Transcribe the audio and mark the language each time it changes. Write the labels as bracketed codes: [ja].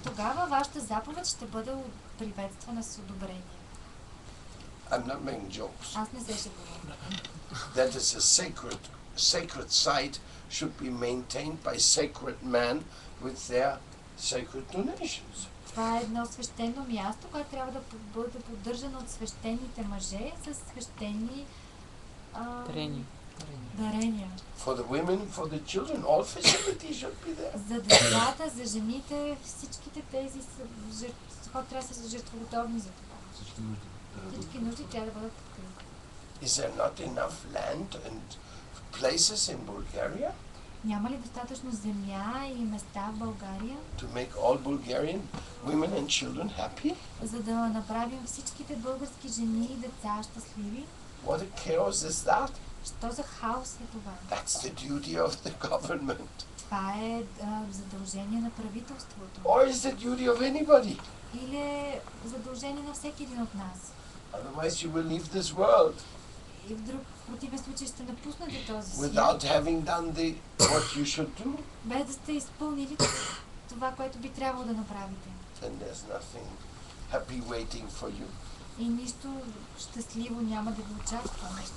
[bg] Тогава вашата заповед ще бъде приветствана с одобрение. [en] I'm not making jokes. [bg] Аз не се шегувам. [en] That is a sacred site should be maintained by sacred men with their sacred donations. [bg] Това е едно свещено място, което трябва да бъде поддържано от свещените мъже със свещени дарения. [en] For the women, for the children, all facilities should be there. [bg] За децата, за жените, всичките тези хора трябва да са жертвоготовни за това. Всички нужди трябва да бъдат покрити. [en] Is there not enough land and places in Bulgaria? [bg] Няма ли достатъчно земя и места в България? [en] To make all Bulgarian women and children happy? [bg] За да направим всичките български жени и деца щастливи? [en] What a chaos is that? [bg] Що за хаос е това? [en] That's the duty of the government. [bg] Това е задължение на правителството. [en] Or is the duty of anybody? [bg] Или е задължение на всеки един от нас? [en] Otherwise you will leave this world. [bg] И в друг противен случай ще напуснете този свят. [en] Without having done the what you should do. [bg] Без да сте изпълнили това, което би трябвало да направите. [en] Then there's nothing happy waiting for you. [bg] И нищо щастливо няма да ви очаква.